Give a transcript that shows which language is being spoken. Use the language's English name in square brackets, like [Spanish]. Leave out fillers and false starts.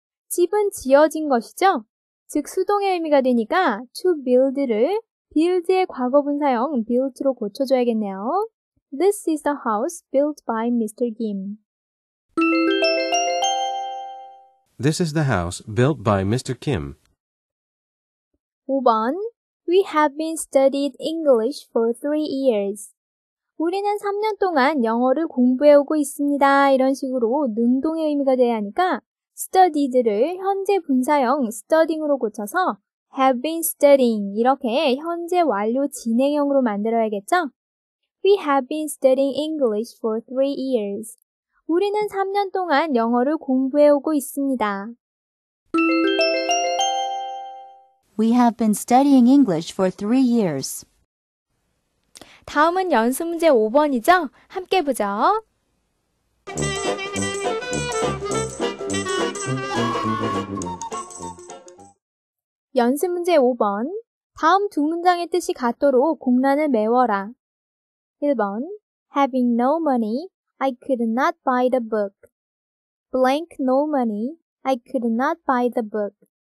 [Korean] 집은 지어진 것이죠? 즉 수동의 의미가 되니까 to build를 build의 과거분사형 built로 고쳐줘야겠네요. [English] This is the house built by Mr. Kim. This is the house built by Mr. Kim. 5번 We have been studied English for 3 years. [Korean] 우리는 3년 동안 영어를 공부해오고 있습니다. 이런 식으로 능동의 의미가 돼야 하니까 studied를 현재 분사형 studying으로 고쳐서 have been studying 이렇게 현재 완료 진행형으로 만들어야겠죠? [English] We have been studying English for 3 years. [Korean] 우리는 3년 동안 영어를 공부해오고 있습니다. [English] We have been studying English for 3 years. [Korean] 다음은 연습문제 5번이죠? 함께 보죠. 연습 문제 5번. 다음 두 문장의 뜻이 같도록 공란을 메워라. 1번. [English] Having no money, I could not buy the book. Blank no money, I could not buy the book.